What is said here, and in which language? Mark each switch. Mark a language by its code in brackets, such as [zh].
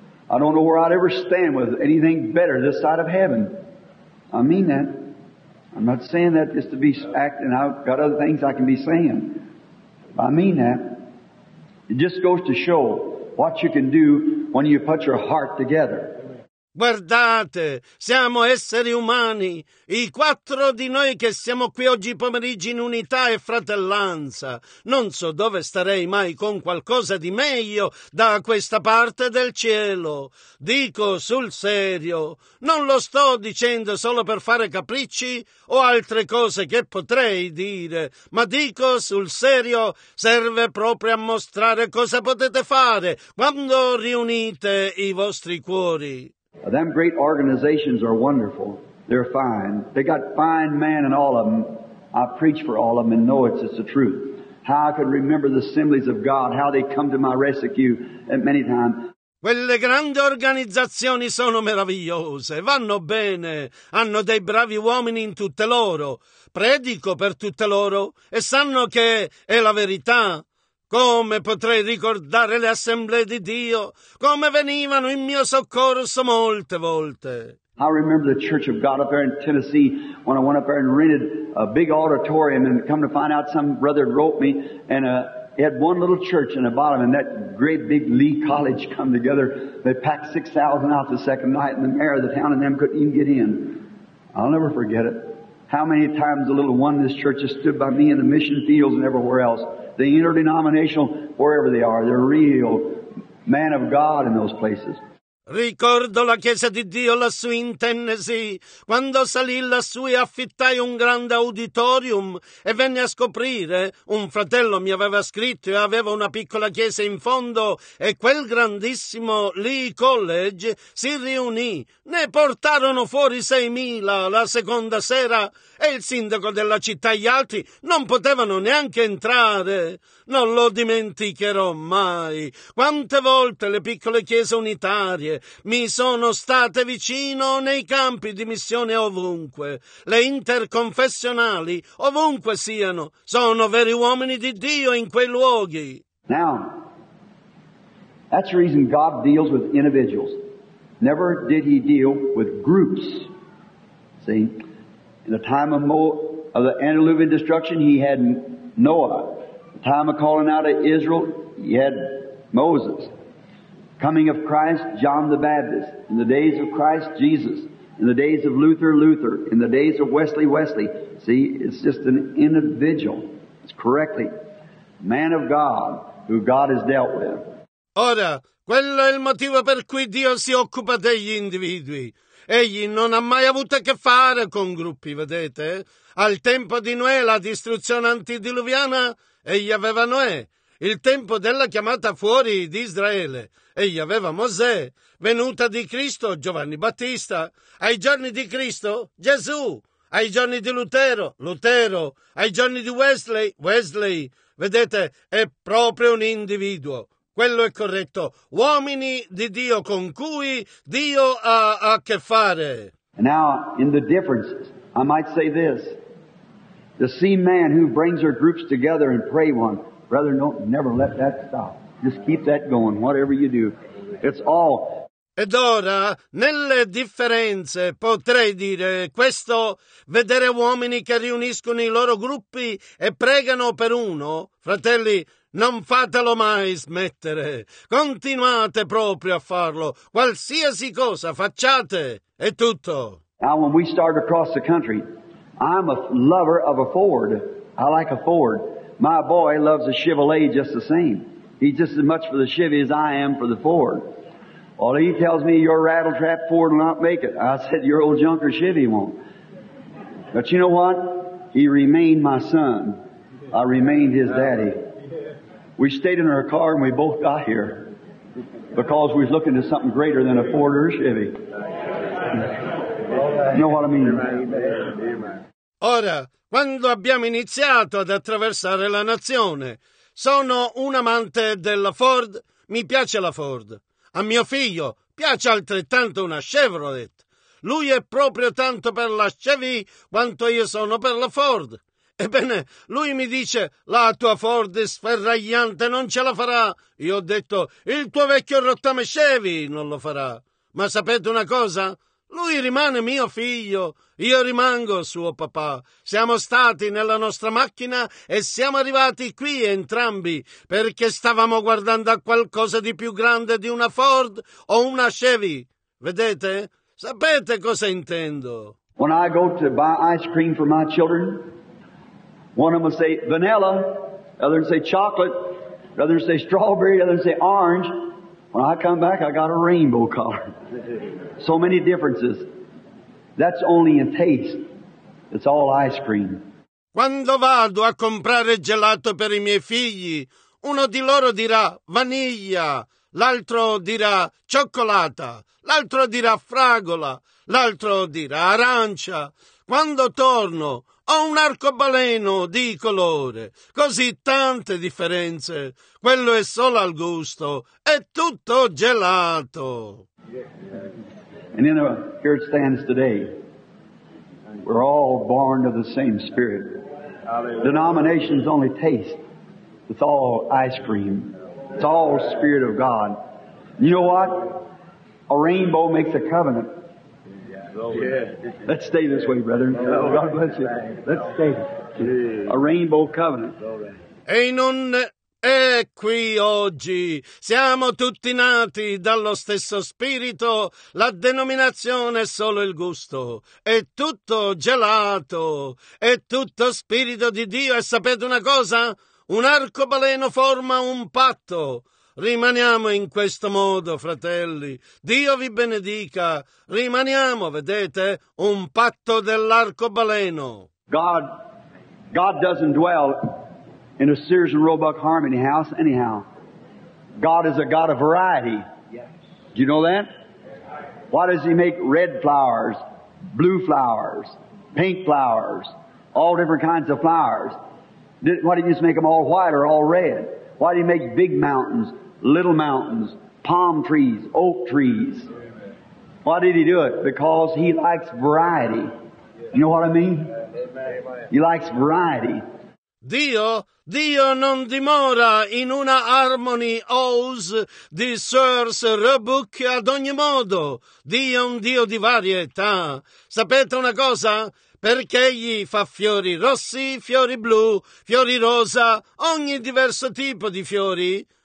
[en] I don't know where I'd ever stand with anything better this side of heaven. I mean that. I'm not saying that just to be acting. I've got other things I can be saying. I mean that. It just goes to show what you can do when you put your heart together. [it] Guardate, siamo esseri umani, i quattro di noi che siamo qui oggi pomeriggio in unità e fratellanza. Non so dove starei mai con qualcosa di meglio da questa parte del cielo. Dico sul serio, non lo sto dicendo solo per fare capricci o altre cose che potrei dire, ma dico sul serio, serve proprio a mostrare cosa potete fare quando riunite i vostri cuori. [en] Them great organizations are wonderful. They're fine. They got fine men in all of them. I preach for all of them and know it's the truth. How I could remember the Assemblies of God, how they come to my rescue at many times. [it] Quelle grandi organizzazioni sono meravigliose, vanno bene, hanno dei bravi uomini in tutte loro. Predico per tutte loro e sanno che è la verità. Come potrei ricordare le Assemblee di Dio? Come venivano in mio soccorso molte volte? [en] I remember the Church of God up there in Tennessee when I went up there and rented a big auditorium and come to find out some brother wrote me and he had one little church in the bottom and that great big Lee College come together. They packed 6,000 out the second night and the mayor of the town and them couldn't even get in. I'll never forget it. How many times the little oneness church has stood by me in the mission fields and everywhere else. The interdenominational, wherever they are, they're real man of God in those places. [it] Ricordo la chiesa di Dio lassù in Tennessee, quando salì lassù e affittai un grande auditorium e venne a scoprire, un fratello mi aveva scritto e aveva una piccola chiesa in fondo e quel grandissimo Lee College si riunì, ne portarono fuori 6.000 la seconda sera e il sindaco della città e gli altri non potevano neanche entrare. Non lo dimenticherò mai. Quante volte le piccole chiese unitarie mi sono state vicino nei campi di missione ovunque. Le interconfessionali, ovunque siano, sono veri uomini di Dio in quei luoghi. [en] Now, that's the reason God deals with individuals. Never did he deal with groups. See, in the time of the antediluvian destruction, he had Noah. Time of calling out of Israel, he had Moses. Coming of Christ, John the Baptist. In the days of Christ, Jesus. In the days of Luther, Luther. In the days of Wesley, Wesley. See, it's just an individual. It's correctly. Man of God, who God has dealt with. [it] Ora, quello è il motivo per cui Dio si occupa degli individui. Egli non ha mai avuto a che fare con gruppi, vedete? Al tempo di Noè, la distruzione antidiluviana... Egli aveva Noè, il tempo della chiamata fuori di Israele. Egli aveva Mosè, venuta di Cristo, Giovanni Battista. Ai giorni di Cristo, Gesù. Ai giorni di Lutero, Lutero. Ai giorni di Wesley, Wesley. Vedete, è proprio un individuo. Quello è corretto. Uomini di Dio con cui Dio ha a che fare. [en] Now, in the differences, I might say this. The same man who brings their groups together and pray one, brother, don't never let that stop. Just keep that going, whatever you do. It's all. [it] Ed ora, nelle differenze, potrei dire questo, vedere uomini che riuniscono i loro gruppi e pregano per uno, fratelli, non fatelo mai smettere. Continuate proprio a farlo. Qualsiasi cosa facciate, è tutto. [en] Now, when we start across the country, I'm a lover of a Ford. I like a Ford. My boy loves a Chevrolet just the same. He's just as much for the Chevy as I am for the Ford. Well, he tells me your rattletrap Ford will not make it. I said, your old junker Chevy won't. But you know what? He remained my son. I remained his daddy. We stayed in our car and we both got here because we was looking to something greater than a Ford or a Chevy. Know what I mean? [it] Ora, quando abbiamo iniziato ad attraversare la nazione, sono un amante della Ford, mi piace la Ford. A mio figlio piace altrettanto una Chevrolet. Lui è proprio tanto per la Chevy quanto io sono per la Ford. Ebbene, lui mi dice, la tua Ford sferragliante non ce la farà. Io ho detto, il tuo vecchio rottame Chevy non lo farà. Ma sapete una cosa? Lui rimane mio figlio, io rimango suo papà. Siamo stati nella nostra macchina e siamo arrivati qui entrambi perché stavamo guardando a qualcosa di più grande di una Ford o una Chevy. Vedete? Sapete cosa intendo? [en] When I go to buy ice cream for my children, one of them will say vanilla, the other will say chocolate, the other will say strawberry, the other will say orange. When I come back, I got a rainbow color. So many differences. That's only in taste. It's all ice cream. [it] Quando vado a comprare gelato per i miei figli, uno di loro dirà vaniglia, l'altro dirà cioccolata, l'altro dirà fragola, l'altro dirà arancia. Quando torno, ho un arcobaleno di colore, così tante differenze. Quello è solo al gusto, è tutto gelato. [en] And in a, here it stands today. We're all born of the same spirit. Denomination is only taste. It's all ice cream. It's all spirit of God. You know what? A rainbow makes a covenant. Yeah. Let's stay this way, brethren. God bless you. Let's stay. A rainbow covenant. [it] E non è qui oggi. Siamo tutti nati dallo stesso spirito. La denominazione è solo il gusto. È tutto gelato. È tutto spirito di Dio. E sapete una cosa? Un arcobaleno forma un patto. Rimaniamo in questo modo, fratelli. Dio vi benedica. Rimaniamo, vedete, un patto dell'arcobaleno. [en] God doesn't dwell in a Sears and Roebuck Harmony house anyhow. God is a God of variety. Do you know that? Why does he make red flowers, blue flowers, pink flowers, all different kinds of flowers? Why did he just make them all white or all red? Why did he make big mountains, little mountains, palm trees, oak trees? Why did he do it? Because he likes variety. You know what I mean? He likes variety. [it] Dio non dimora in una Harmony House di Sears Roebuck ad ogni modo. Dio è un Dio di varietà. Sapete una cosa? Perché egli fa fiori rossi, fiori blu, fiori rosa, ogni diverso tipo di fiori?